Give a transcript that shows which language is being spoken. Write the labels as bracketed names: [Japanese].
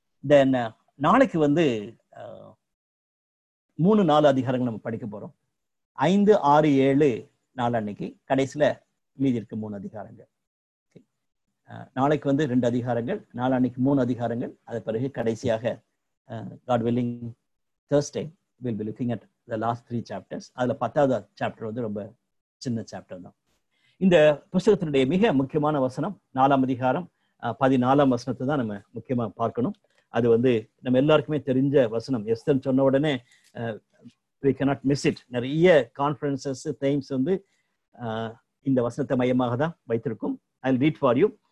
[Tamil] தென் நாளைக்கு வந்து மூணு நாலு அதிகாரங்கள் நம்ம படிக்க போறோம். ஐந்து ஆறு ஏழு நாலு அன்னைக்கு, கடைசியில் மீதி இருக்க மூணு அதிகாரங்கள். நாளைக்கு வந்து ரெண்டு அதிகாரங்கள், நாலு அன்னைக்கு மூணு அதிகாரங்கள், அது பிறகு கடைசியாக [English] God willing [Tamil] Thursday [English] we'll be looking at the last three chapters. [Tamil] அதுல பத்தாவது chapter வந்து ரொம்ப சின்ன chapter தான். இந்த புத்தகத்தினுடைய மிக முக்கியமான வசனம் 4:14 தான் நம்ம முக்கியமா பார்க்கணும். அது வந்து நம்ம எல்லாருக்குமே தெரிஞ்ச வசனம். எஸ்தர் சொன்ன உடனே [English] we cannot miss it. [Tamil] நிறைய conferences, themes வந்து இந்த வசனத்தை மையமாக தான் வைத்திருக்கும். [English] I'll read for you.